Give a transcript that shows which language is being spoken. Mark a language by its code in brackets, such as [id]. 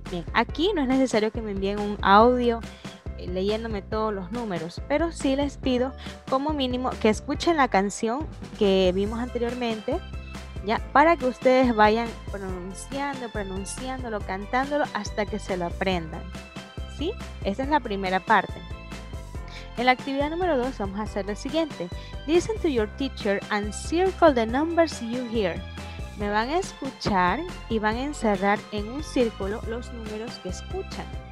[es] Bien, aquí no es necesario que me envíen un audio leyéndome todos los números, pero sí les pido como mínimo que escuchen la canción que vimos anteriormente, ya, para que ustedes vayan pronunciándolo, cantándolo hasta que se lo aprendan. ¿Sí? Esta es la primera parte. En la actividad número 2 vamos a hacer lo siguiente. [en] Listen to your teacher and circle the numbers you hear. [es] Me van a escuchar y van a encerrar en un círculo los números que escuchan.